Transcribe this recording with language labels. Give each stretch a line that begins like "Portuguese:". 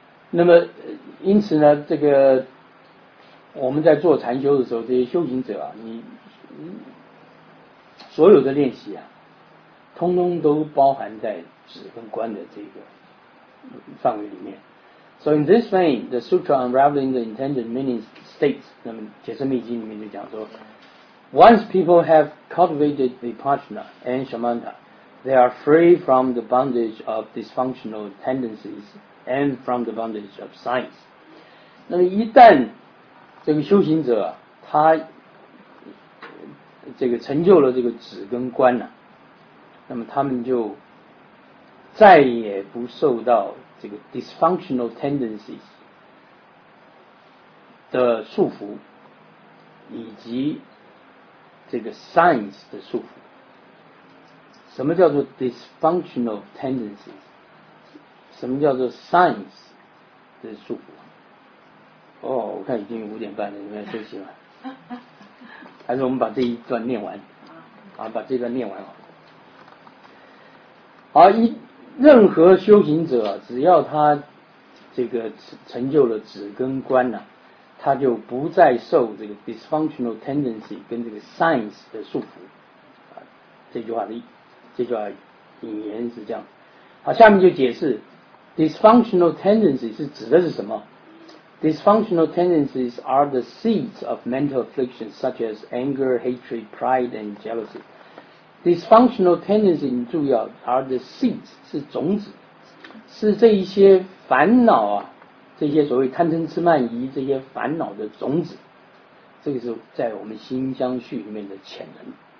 Chinese: 那么因此呢，这个我们在做禅修的时候，这些修行者啊，你所有的练习啊，通通都包含在止跟观的这个范围里面。
English: So in this vein, the sutra unraveling the intended meaning states，
Chinese: 那么《解释密经》里面就讲说
English: ，Once people have cultivated vipassana and samatha, they are free from the bondage of dysfunctional tendencies and from the bondage of science。
Chinese: 那么一旦这个修行者，他这个成就了这个止跟观了，那么他们就再也不受到这个 dysfunctional tendencies 的束缚，以及这个 signs 的束缚。什么叫做 dysfunctional tendencies？ 什么叫做 signs 的束缚？哦，我看已经五点半了，你们要休息吗？还是我们把这一段念完？啊，把这段念完好。好，任何修行者，只要他这个成就了止跟观呢、啊，他就不再受这个 dysfunctional tendency 跟这个 signs 的束缚。啊，这句话的这句话引言是这样。好，下面就解释 dysfunctional tendency 是指的是什么。
English: Dysfunctional tendencies are the seeds of mental afflictions such as anger, hatred, pride, and jealousy. Dysfunctional tendencies,
Chinese: 你注意啊，
English: are the seeds,
Chinese: 是种子，是这一些烦恼啊，这些所谓贪嗔痴慢疑，这些烦恼的种子，这个是在我们心相续里面的潜能。